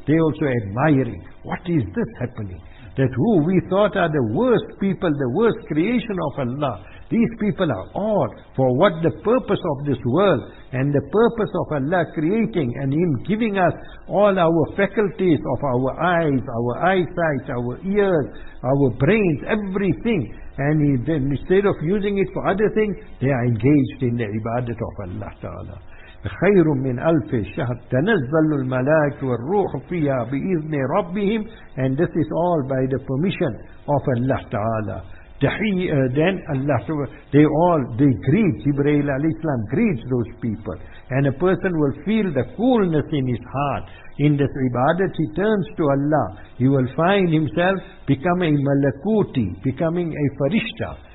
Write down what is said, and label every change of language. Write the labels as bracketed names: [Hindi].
[English] They also admiring. What is this happening? That who we thought are the worst people, the worst creation of Allah, these people are all for what the purpose of this world and the purpose of Allah creating and Him giving us all our faculties of our eyes, our eyesight, our ears, our brains, everything. And then instead of using it for other things, they are engaged in the ibadat of Allah Ta'ala. [Arabic] خير من ألف شهر تنزل الملائكة والروح فيها بإذن ربهم. [English] And this is all by the permission of Allah Ta'ala. Then Allah, they greet, Jibreel alayhi salam greets those people. And a person will feel the coolness in his heart. In this ibadat, he turns to Allah. He will find himself becoming a malakuti, becoming a farishta.